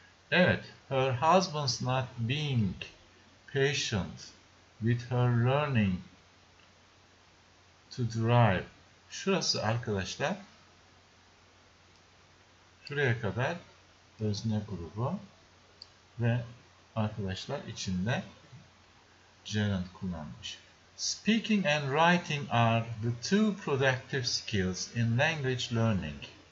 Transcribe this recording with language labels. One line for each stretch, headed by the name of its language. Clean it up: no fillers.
English: Evet, her husband's not being patient with her learning to drive.
Turkish: Şurası arkadaşlar. Şuraya kadar özne grubu ve arkadaşlar içinde gerund kullanmış.
English: Speaking and writing are the two productive skills in language learning.